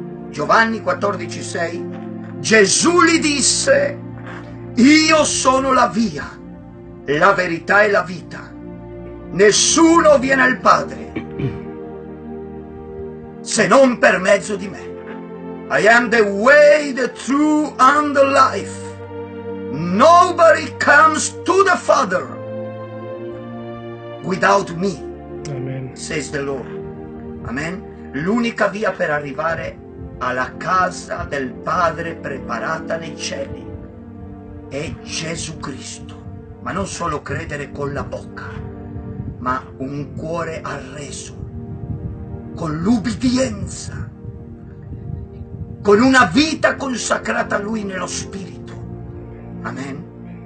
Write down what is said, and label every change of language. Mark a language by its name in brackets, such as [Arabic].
[Italian] Giovanni 14, 6. Gesù gli disse, io sono la via, la verità e la vita. Nessuno viene al Padre se non per mezzo di me. [English] I am the way, the truth, and the life. Nobody comes to the Father without me, amen, says the Lord. Amen. [Italian] L'unica via per arrivare alla casa del Padre preparata nei cieli è Gesù Cristo. Ma non solo credere con la bocca, ma un cuore arreso, con l'ubbidienza, con una vita consacrata a Lui nello Spirito. Amen.